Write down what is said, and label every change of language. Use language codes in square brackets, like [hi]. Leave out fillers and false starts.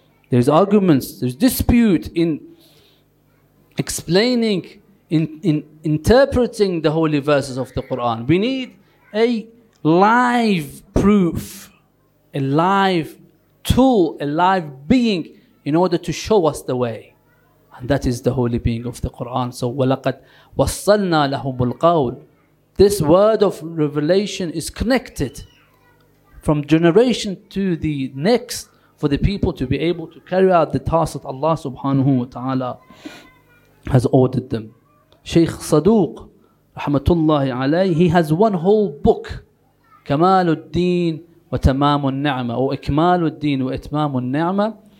[en] There's arguments, there's dispute in explaining, in interpreting the holy verses of the Quran. We need a live proof, a live tool, a live being in order to show us the way. And that is the holy being of the Quran. [ar] So, وَلَقَدْ وَصَّلْنَا لَهُمُ الْقَوْلِ. [en] This word of revelation is connected from generation to the next for the people to be able to carry out the task that Allah subhanahu wa ta'ala has ordered them. Shaykh Saduq, rahmatullahi alayhi, he has one whole book, Kamaluddin wa Tamamun Ni'ma, or Ikmaluddin wa Itmamun Ni'ma.